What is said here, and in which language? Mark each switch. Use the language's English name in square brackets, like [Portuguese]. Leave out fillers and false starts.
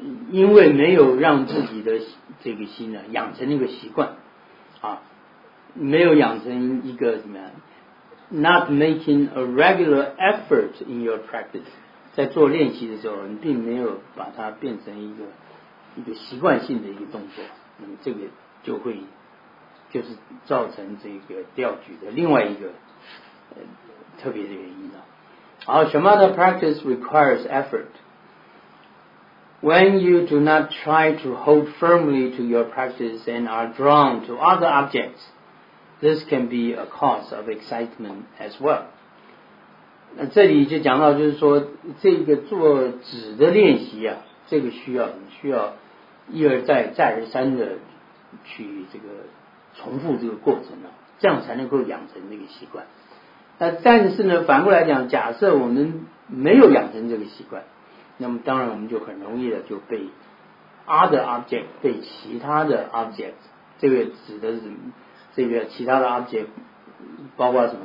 [Chinese] 因为没有让自己的这个心呢养成一个习惯啊，没有养成一个什么样 ， [English] not making a regular effort in your practice， [Chinese] 在做练习的时候，你并没有把它变成一个习惯性的一个动作，那么这个就会。就是造成这个调举的另外一个特别的原因了。好， [English] Shamatha practice requires effort. When you do not try to hold firmly to your practice and are drawn to other objects, this can be a cause of excitement as well. [Chinese] 那这里就讲到，就是说这个做止的练习啊，这个需要一而再再而三的去这个重复这个过程了，这样才能够养成这个习惯。那但是呢，反过来讲，假设我们没有养成这个习惯，那么当然我们就很容易的就被 [English] other object， [Chinese] 被其他的 object， 这个指的是这个其他的 object， 包括什么？